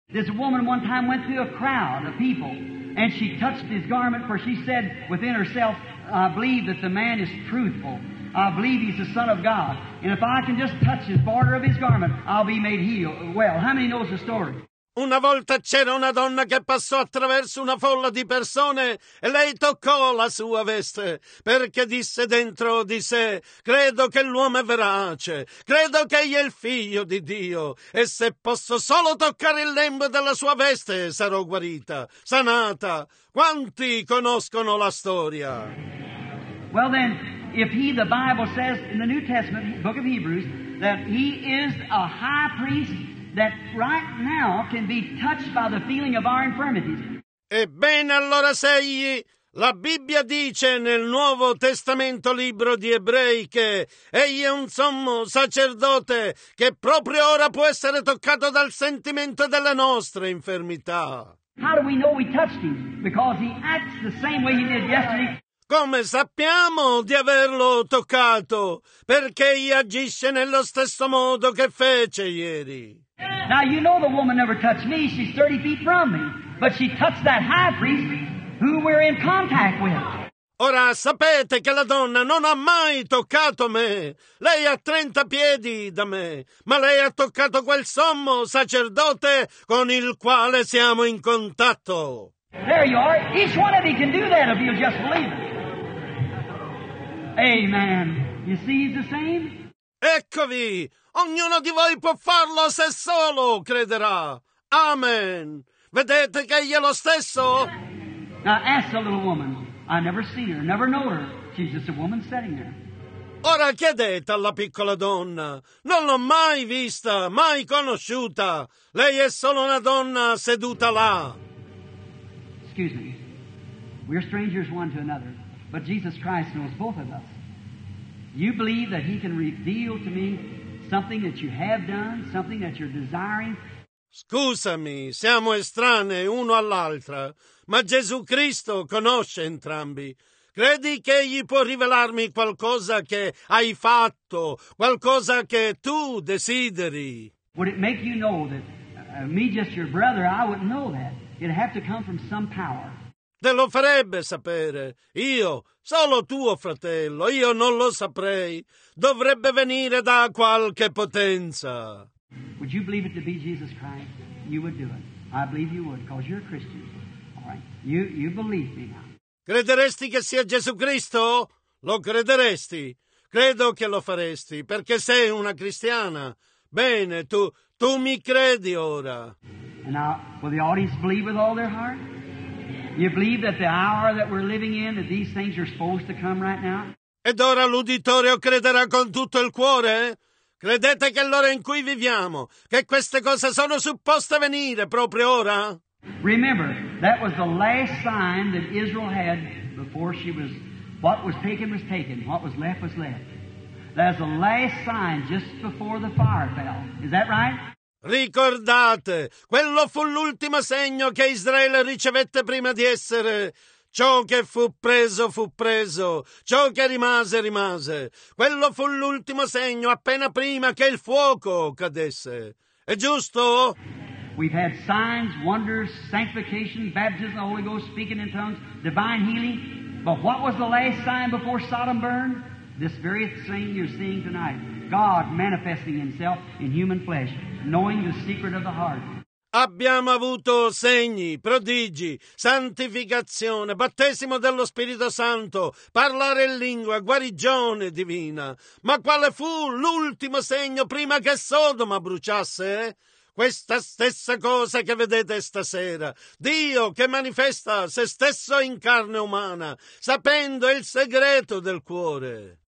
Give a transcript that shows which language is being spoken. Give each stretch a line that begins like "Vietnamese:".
English: This woman one time went through a crowd of people and she touched his garment, for she said within herself, I believe that the man is truthful. I believe he's the Son of God. And if I can just touch his border of his garment, I'll be made healed. Well, how many knows the story?
Italian: Una volta c'era una donna che passò attraverso una folla di persone e lei toccò la sua veste, perché disse dentro di sé: credo che l'uomo è verace, credo che egli è il figlio di Dio, e se posso solo toccare il lembo della sua veste sarò guarita, sanata. Quanti conoscono la storia?
English: Well then, if he, the Bible says in the New Testament, book of Hebrews, that he is a high priest that right now can be touched by the feeling of our infirmities.
Italian: Ebbene, allora se egli, la Bibbia dice nel Nuovo Testamento, libro di Ebrei, che egli è un sommo sacerdote che proprio ora può essere toccato dal sentimento delle nostre infermità.
English: How do we know we touched him? Because he acts the same way he did yesterday.
Italian: Come sappiamo di averlo toccato? Perché egli agisce nello stesso modo che fece ieri.
English: Now you know the woman never touched me, she's 30 feet from me, but she touched that high priest who we're in contact with.
Italian: Ora sapete che la donna non ha mai toccato me, lei è 30 piedi da me, ma lei ha toccato quel sommo sacerdote con il quale siamo in contatto.
English: There you are, each one of you can do that if you just believe it. Amen. You see he's the same?
Italian: Eccovi! Ognuno di voi può farlo se solo crederà. Amen. Vedete che egli è lo stesso?
English: Now ask the little woman. I never see her, never know her. She's just a woman sitting there.
Italian: Ora chiedete alla piccola donna. Non l'ho mai vista, mai conosciuta. Lei è solo una donna seduta là.
English: Excuse me. We're strangers one to another, but Jesus Christ knows both of us. You believe that he can reveal to me something that you have done, something that you're desiring.
Italian: Scusami, siamo estranei uno all'altra, ma Gesù Cristo conosce entrambi. Credi che egli può rivelarmi qualcosa che hai fatto, qualcosa che tu desideri?
English: Would it make you know that me just your brother, I wouldn't know that. It'd have to come from some power.
Italian: Te lo farebbe sapere. Io, solo tuo fratello, io non lo saprei. Dovrebbe venire da qualche potenza.
English: Would you believe it to be Jesus Christ? You would do it. I believe you would, because you're a Christian. All right. You believe me now.
Italian: Crederesti che sia Gesù Cristo? Lo crederesti. Credo che lo faresti, perché sei una cristiana. Bene, tu mi credi ora.
English: And now, will the audience believe with all their heart? You believe that the hour that we're living in, that these things are supposed to come right now?
Italian: Ed ora l'uditorio crederà con tutto il cuore? Credete che l'ora in cui viviamo, che queste cose sono supposte venire proprio ora?
English: Remember, that was the last sign that Israel had before she was, what was taken was taken, what was left was left. That was the last sign just before the fire fell. Is that right?
Italian: Ricordate, quello fu l'ultimo segno che Israele ricevette prima di essere. Ciò che fu preso, ciò che rimase, rimase. Quello fu l'ultimo segno appena prima che il fuoco cadesse. È giusto?
English: We've had signs, wonders, sanctification, baptism, the Holy Ghost, speaking in tongues, divine healing. But what was the last sign before Sodom burned? This very thing you're seeing tonight. God manifesting himself in human flesh, knowing the secret of the heart.
Italian: Abbiamo avuto segni, prodigi, santificazione, battesimo dello Spirito Santo, parlare in lingua, guarigione divina. Ma quale fu l'ultimo segno prima che Sodoma bruciasse? Questa stessa cosa che vedete stasera. Dio che manifesta se stesso in carne umana, sapendo il segreto del cuore.